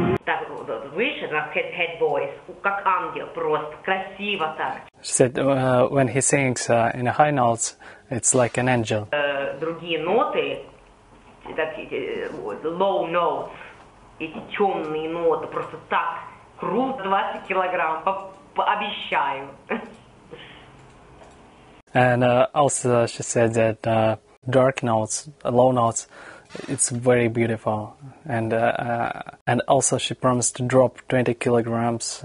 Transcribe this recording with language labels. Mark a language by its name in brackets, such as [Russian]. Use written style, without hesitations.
[English] Head voice, [Russian] как ангел, просто красиво так. [English] She said, when he sings in a high notes, it's like an angel. [Russian] Другие ноты, [English] that low notes, [Russian] эти темные ноты, просто так круто, 20 килограмм, обещаю. [English] And also she said that dark notes, low notes, it's very beautiful, and also she promised to drop 20 kilograms.